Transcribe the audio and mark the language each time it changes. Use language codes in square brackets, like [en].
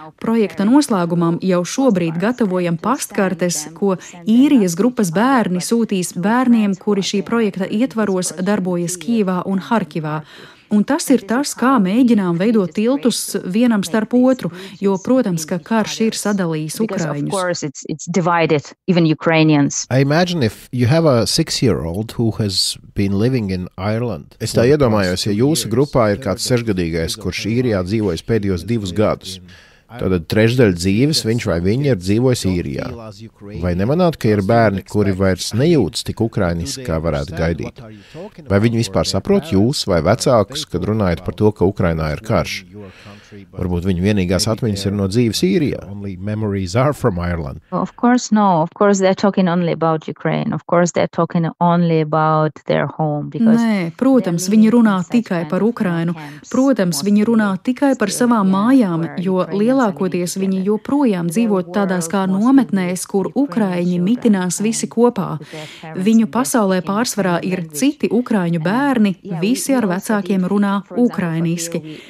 [lv] Projekta noslēgumam jau šobrīd gatavojam pastkartes, ko īrijas grupas bērni sūtīs bērniem, kuri šī projekta ietvaros darbojas Kīvā un Harkivā. Un tas ir tas, kā mēģinām veidot tiltus vienam starp otru, jo, protams, ka karš ir sadalījis ukraiņus. [en] I imagine if you have a 6-year-old who has been living in Ireland. [lv] Es tā iedomājos, ja jūsu grupā ir kāds 6-gadīgais, kurš Īrijā dzīvojis pēdējos 2 gadus. Tātad trešdaļa dzīves viņš vai viņa ir dzīvojis Īrijā. Vai nemanāt, ka ir bērni, kuri vairs nejūtas tik ukrainiski, kā varētu gaidīt? Vai viņi vispār saprot jūs vai vecākus, kad runājat par to, ka Ukrainā ir karš? Varbūt viņu vienīgās atmiņas ir no dzīves Īrijā. [en] Of course no, of course they're talking only about Ukraine. Of course they're talking only about their home because [lv] Nē, protams, viņi runā tikai par Ukrainu. Protams, viņi runā tikai par savām mājām, jo lielākoties viņi joprojām dzīvo tādās kā nometnēs, kur ukraiņi mitinās visi kopā. Viņu pasaulē pārsvarā ir citi ukraiņu bērni, visi ar vecākiem runā ukrainiski.